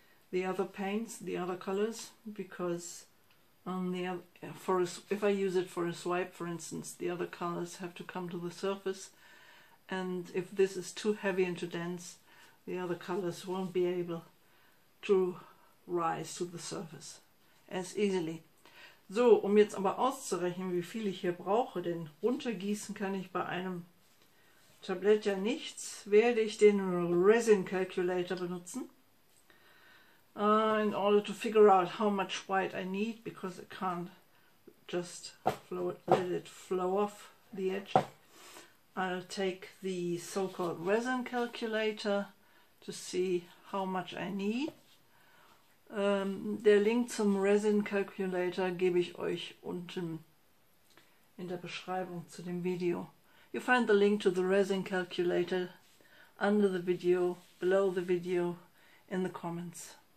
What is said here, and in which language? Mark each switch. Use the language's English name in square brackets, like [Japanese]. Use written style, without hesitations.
[English] The other paints, the other colors, because if I use it for a swipe, for instance, the other colors have to come to the surface. And if this is too heavy and too dense, the other colors won't be able to rise to the surface as easily. [German] So, um jetzt aber auszurechnen, wie viel ich hier brauche, denn runtergießen kann ich bei einem Tablet ja nichts, werde ich den Resin Calculator benutzen. [English] In order to figure out how much white I need, because I can't just let it flow off the edge, I'll take the so-called Resin Calculator to see how much I need. [German] Der Link zum Resin Calculator gebe ich euch unten in der Beschreibung zu dem Video. [English] You find the link to the resin calculator under the video, below the video, in the comments.